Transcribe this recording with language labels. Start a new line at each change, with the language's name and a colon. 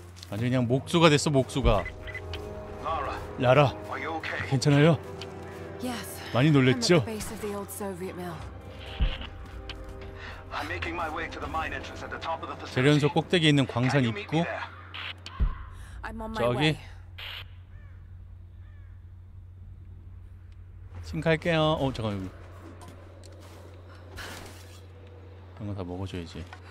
Korean: 아니 그냥 목수가 됐어 목수가. 라라. 라라.
English: Are you okay?
Korean: 괜찮아요?
English: Yes.
Korean: 많이 놀랬죠?
English: I'm at the base of the old Soviet mill. I'm making my way to the mine entrance at the top of the facility.
Korean: 대련소 꼭대기 있는 광산 입구.
English: I'm on my way.
Korean: 신갈게요. 어 잠깐 여기. 이런 거 다 먹어줘야지.